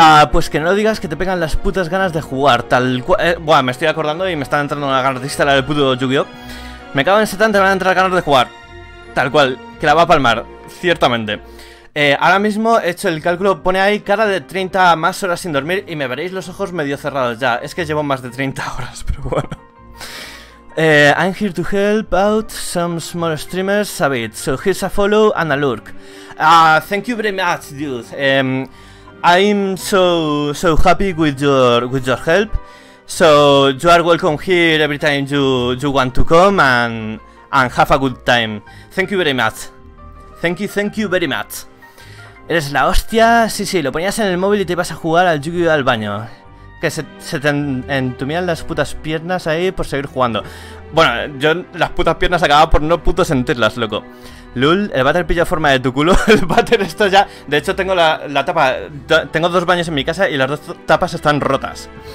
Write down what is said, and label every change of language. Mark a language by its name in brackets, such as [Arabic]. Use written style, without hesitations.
[Spanish] Pues que no lo digas, que te pegan las putas ganas de jugar. Tal cual, me estoy acordando y me están entrando una ganas de instalar el puto Yu-Gi-Oh. Me cago en Satan, te van a entrar ganas de jugar. Tal cual, que la va a palmar, ciertamente. Ahora mismo he hecho el cálculo, pone ahí cara de 30 más horas sin dormir y me veréis los ojos medio cerrados ya. Es que llevo más de 30 horas, pero bueno. [English] I'm here to help out some small streamers a bit, so here's a follow and a lurk. Thank you very much, dude. I'm so happy with your help. So you are welcome here every time you want to come and have a good time. Thank you very much. Thank you very much. [Spanish] Eres la hostia, sí, lo ponías en el móvil y te ibas a jugar al Yu-Gi-Oh! Al baño. Que se te entumían las putas piernas ahí por seguir jugando. Bueno, yo las putas piernas acababa por no puto sentirlas, loco. Lul, el váter pilla forma de tu culo. El váter está ya, de hecho tengo la tapa, tengo dos baños en mi casa y las dos tapas están rotas.